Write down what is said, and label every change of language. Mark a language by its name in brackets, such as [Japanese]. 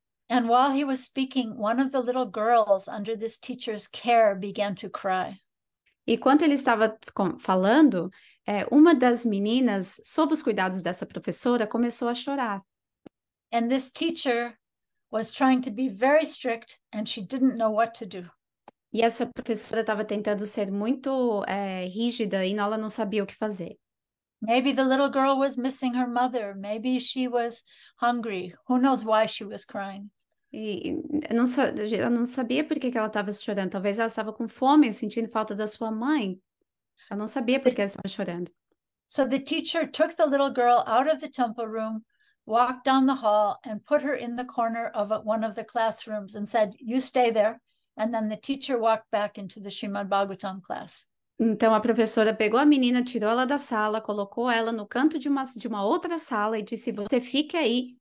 [English] And while he was speaking, one of the little girls under this teacher's care began to cry. [Portuguese] E quando ele estava falando, uma das meninas, sob os cuidados dessa professora, começou a chorar. [English] And this teacher was trying to be very strict, and she didn't know what to do. [Portuguese] E essa professora estava tentando ser muito rígida e ela não sabia o que fazer. [English] Maybe the little girl was missing her mother. Maybe she was hungry. Who knows why she was crying? [Portuguese] Ela não sabia por que ela estava chorando. Talvez ela estava com fome, sentindo falta da sua mãe. Ela não sabia por que ela estava chorando. [English] So the teacher took the little girl out of the temple room, walked down the hall, and put her in the corner of one of the classrooms and said, "You stay there." And then the teacher walked back into the Srimad Bhagavatam class. [Portuguese] Então, a professora pegou a menina, tirou ela da sala, colocou ela no canto de uma outra sala e disse, você fique aí.